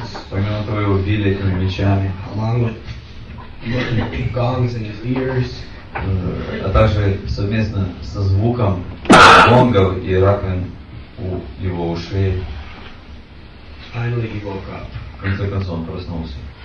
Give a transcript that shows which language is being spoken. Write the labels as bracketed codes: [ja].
[ru] Помимо того, его били этими мечами. [en] Along with looking gongs in his ears. [ru] А также совместно со звуком гонгов и раковин у его ушей. [en] Finally he woke up. [ru] В конце концов он проснулся.